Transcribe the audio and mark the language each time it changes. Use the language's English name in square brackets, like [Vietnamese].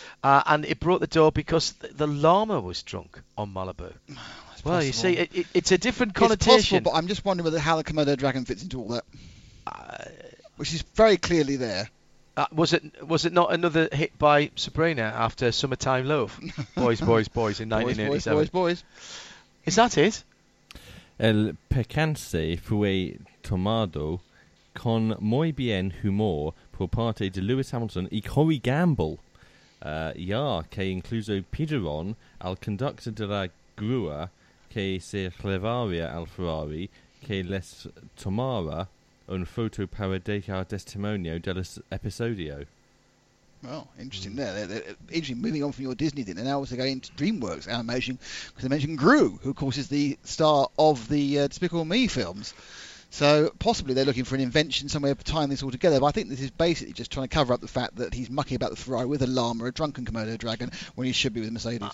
[English] And it broke the door because the llama was drunk on Malibu. Well, you see, it's a different connotation. It's possible, but I'm just wondering how the Komodo dragon fits into all that, which is very clearly there. Was it not another hit by Sabrina after Summertime Love? Boys, boys, boys in 1987. Boys, boys, boys. Is that it? [Spanish] El percance fue tomado con muy bien humor por parte de Lewis Hamilton y Corey Gamble. Ya que incluso pidieron al conductor de la grúa que se llevaría al Ferrari que les tomara un foto para dejar testimonio del episodio. [English] Well, interesting there. Interesting, moving on from your Disney thing, they're now also going into DreamWorks animation because they mentioned Gru, who of course is the star of the Despicable Me films. So possibly they're looking for an invention somewhere tying this all together. But I think this is basically just trying to cover up the fact that he's mucking about the Ferrari with a llama, a drunken Komodo dragon, when he should be with Mercedes.